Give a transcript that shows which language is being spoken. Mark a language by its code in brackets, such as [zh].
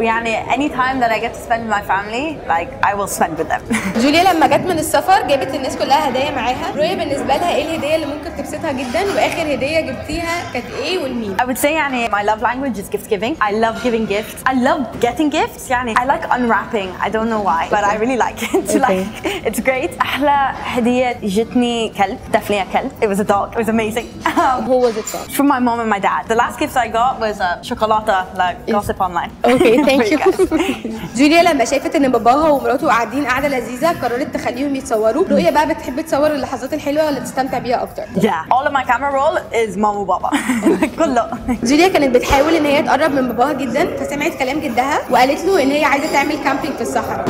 [en] يعني any time that I get to spend with my family like I will spend with them. [ar] جوليا لما جت من السفر جابت للناس كلها هدايا معاها. رويا بالنسبه لها ايه الهديه اللي ممكن تبسطها جدا واخر هديه جبتيها كانت ايه والمين؟ [en] I would say يعني my love language is gift giving. I love giving gifts. I love getting gifts. يعني I like unwrapping. I don't know why but I really like it. Like it's great. [ar] احلى هديه جتني كلب دفنيه كلب. [en] It was a dog. It was amazing. Was it from my mom and my dad. The last gift I got was a chocolata like gossip online. Okay, thank you. [ar] جوليا لما شافت ان باباها ومراته قاعدين قاعده لذيذه قررت تخليهم يتصوروا. رؤيا بقى بتحب تصور اللحظات الحلوه ولا تستمتع بيها اكتر؟ [en] Yeah, all of my camera roll is mom and papa. [ar] كله. جوليا كانت بتحاول ان هي تقرب من باباها جدا فسمعت كلام جدها وقالت له ان هي عايزه تعمل كامبينج في الصحراء.